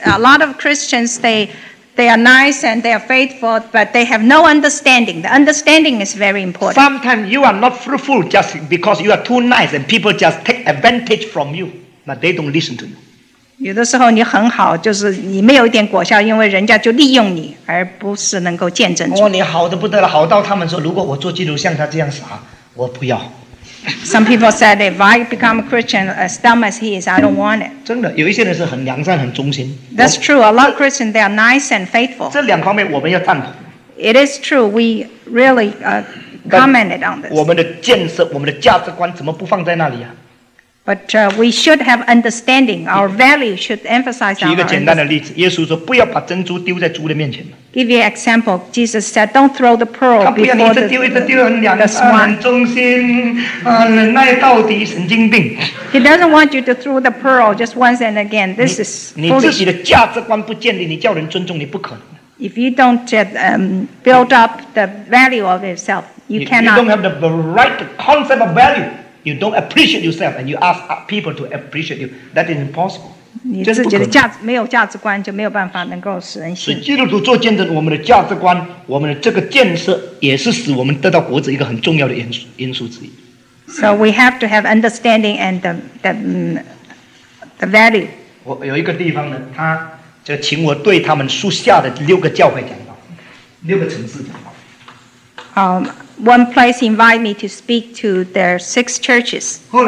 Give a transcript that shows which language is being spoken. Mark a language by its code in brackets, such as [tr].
[en] A lot of Christians, they are nice and they are faithful, but they have no understanding. The understanding is very important. Sometimes you are not fruitful just because you are too nice and people just take advantage from you, but they don't listen to you. [zh] 有的时候你很好，就是你没有一点果效，因为人家就利用你，而不是能够见证主。哦，你好的不得了，好到他们说，如果我做基督徒像他这样傻，我不要。 [en] Some people said, if I become a Christian as dumb as he is, I don't want it. [zh] 真的，有一些人是很良善、很忠心。 [en] That's true. A lot of Christians, they are nice and faithful. [zh] 这两方面我们要赞同。 [en] It is true. We really commented on this. [zh] 我们的见识、我们的价值观怎么不放在那里啊？ [en] But we should have understanding. Our value should emphasize our [zh] 举一个简单的例子， 耶稣说，不要把珍珠丢在猪的面前。 [en] Give you an example. Jesus said, don't throw the pearl before the swine. He doesn't want you to throw the pearl just once and again. This is foolish. [zh] 你自己的价值观不建立，你叫人尊重你不可能。 [en] If you don't build up the value of yourself, You cannot. You don't have the right concept of value. You don't appreciate yourself, and you ask people to appreciate you. That is impossible. [zh] 你自己的价值没有价值观，就没有办法能够使人信。所以基督徒做见证，我们的价值观，我们的这个建设，也是使我们得到国子一个很重要的因素之一。 [en] So we have to have understanding and the value. [zh] 我有一个地方呢，他就请我对他们属下的六个教会讲道，六个城市讲道。 [en] One place invite me to speak to their six churches.